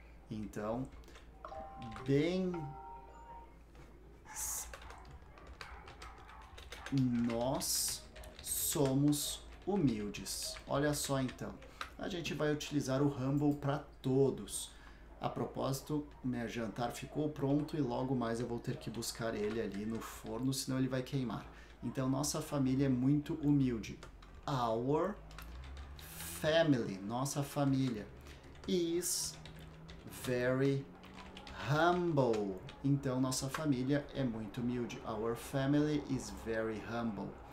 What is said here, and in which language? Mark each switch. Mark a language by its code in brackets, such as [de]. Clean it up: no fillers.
[pt] Então, bem, nós somos humildes. Olha só então, a gente vai utilizar o humble para todos. A propósito, meu jantar ficou pronto e logo mais eu vou ter que buscar ele ali no forno, senão ele vai queimar. Então, nossa família é muito humilde. [en] Our family, [pt] nossa família, [en] is very humble. [pt] Então, nossa família é muito humilde. [en] Our family is very humble.